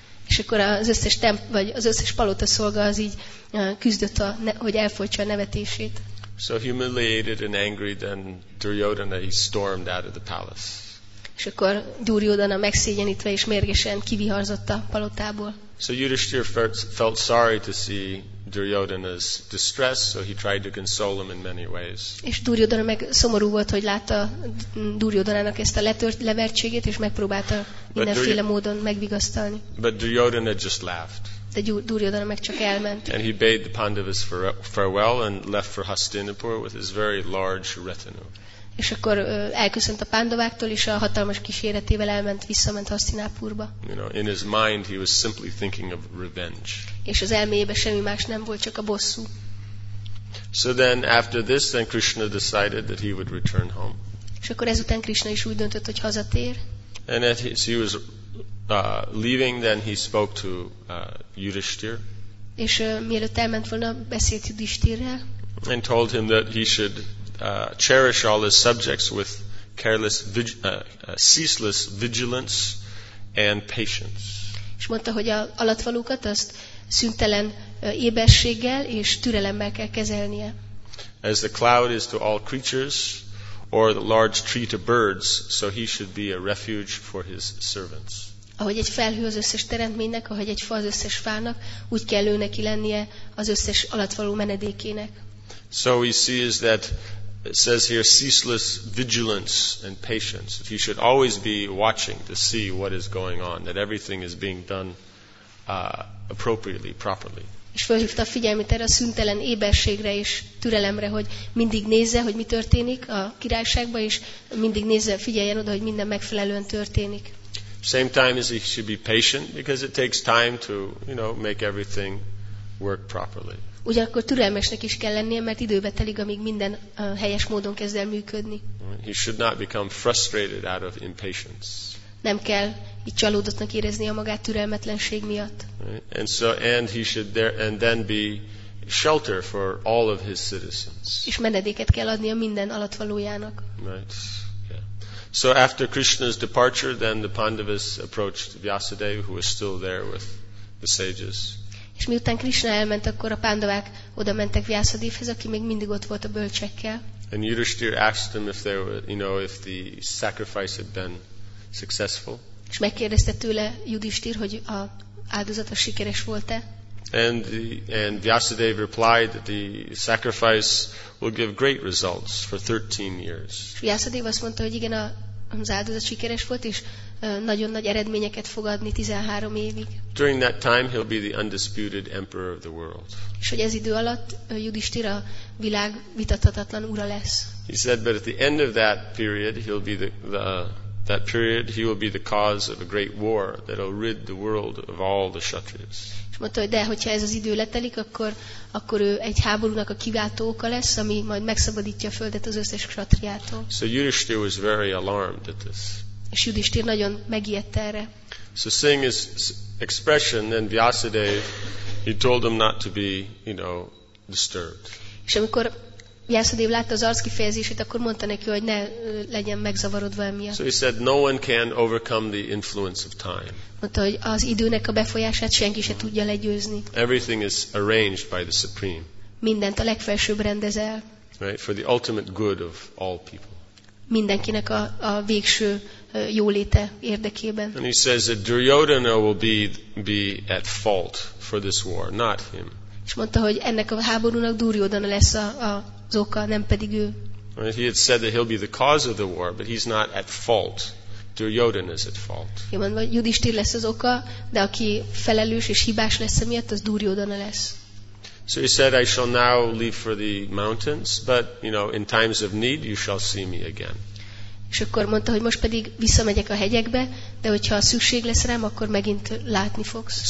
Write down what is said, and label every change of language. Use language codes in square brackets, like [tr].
[hu] És akkor az összes palota szolga az így küzdött, hogy elfolytsa a nevetését. [en] So humiliated and angry, then Duryodhana, he stormed out of the palace. [hu] És akkor Duryodhana megszégyenítve és mérgesen kiviharzott a palotából. [en] So Yudhishthir felt sorry to see Duryodhana's distress, so he tried to console him in many ways. [hu] És Duryodhana meg szomorú volt, hogy látta Duryodhanának ezt a levertségét, és megpróbálta mindenféle módon megvigasztalni. [en] But Duryodhana just laughed. [hu] De Duryodhana meg csak elment. [en] And he bade the Pandavas farewell and left for Hastinapur with his very large retinue. [hu] És akkor elköszönt a Pándováktól, és a hatalmas kíséretével visszament Hasztinápurba. [en] You know, in his mind he was simply thinking of revenge. [hu] És az elméjében semmi más nem volt, csak a bosszú. [en] So then after this, then Krishna decided that he would return home. [hu] És akkor ezután Krishna is úgy döntött, hogy hazatér. [en] And as he was leaving, then he spoke to Yudhishthir. [hu] És mielőtt elment volna, beszélt Yudhishthirrel. [en] And told him that he should cherish all his subjects with careless ceaseless vigilance and patience. [hu] És mondta, hogy a alattvalókat azt szüntelen ébességgel és türelemmel kell kezelnie. [en] As the cloud is to all creatures or the large tree to birds, so he should be a refuge for his servants. [hu] Ahogy egy felhő az összes teremtménynek, ahogy egy fa az összes fának, úgy kell ő neki lennie az összes alattvaló menedékének. [en] So we see is that it says here ceaseless vigilance and patience. That he should always be watching to see what is going on, that everything is being done appropriately, properly. [hu] És felhívta a figyelmét erre a szüntelen éberségre és türelemre, hogy mindig nézze, hogy mi történik a királyságban, és mindig nézze, figyeljen oda, hogy minden megfelelően történik. [en] Same time as he should be patient, because it takes time to, you know, make everything work properly. [hu] Ugyanakkor türelmesnek is kell lennie, mert időbe telik, amíg minden helyes módon kezd el működni. [en] He should not become frustrated out of impatience. [hu] Nem kell így csalódottnak érezni a magát türelmetlenség miatt. [en] Right. And so and he should there and then be shelter for all of his citizens. [hu] És menedéket kell adnia minden alattvalójának. [en] Right. Yeah. So after Krishna's departure, then the Pandavas approached Vyasadeva, who was still there with the sages. [hu] És miután Krishna elment, akkor a Pándavák oda mentek Vyasadevhez, aki még mindig ott volt a bölcsekkel. [en] And Yudhishthir asked them if they were, you know, if the sacrifice had been successful. [hu] És megkérdezte tőle Yudhishthir, hogy a áldozata sikeres volt-e. [en] And Vyasadev replied that the sacrifice will give great results for 13 years. [hu] Vyasadev azt mondta, hogy igen, az áldozat sikeres volt, és nagyon nagy eredményeket fog adni 13 évig. [en] During that time he'll be the undisputed emperor of the world. [hu] És hogy ez idő alatt Yudhishthir a világ vitathatatlan ura lesz. [en] He said but at the end of that period he'll be that period he will be the cause of a great war that'll rid the world of all the kshatriyas. [hu] És mondta, hogy de hogyha ez az idő letelik, akkor ő egy háborúnak a kiváltó oka lesz, ami majd megszabadítja a földet az összes kshatriától. [en] So Yudhishthir was very alarmed at this. [hu] És Yudhishthir nagyon megijedt erre. [en] So seeing his expression, then Vyasadev, he told him not to be, you know, disturbed. [hu] És amikor Vyászadév látta az arckifejezését, akkor mondta neki, hogy ne legyen megzavarodva emiatt. [en] So he said, no one can overcome the influence of time. [hu] Mondta, hogy az időnek a befolyását senki se tudja legyőzni. [en] Everything is arranged by the Supreme. [hu] Mindent a legfelsőbb rendez el. [en] Right, for the ultimate good of all people. [hu] Mindenkinek a végső jóléte érdekében. [en] And he says that Duryodhana will be at fault for this war, not him. [hu] És mondta, hogy ennek a háborúnak Duryodhana lesz az oka, nem pedig ő. [en] Right, he had said that he'll be the cause of the war, but he's not at fault. Duryodhana is at fault. [hu] Igen, vagy Yudhisthira lesz az oka, de aki felelős és hibás lesz emiatt, az Duryodhana lesz. [en] So he said, I shall now leave for the mountains, but you know, in times of need, you shall see me again. [hu] És akkor mondta, hogy most pedig visszamegyek a hegyekbe, de hogyha szükség lesz rám, akkor megint látni fogsz.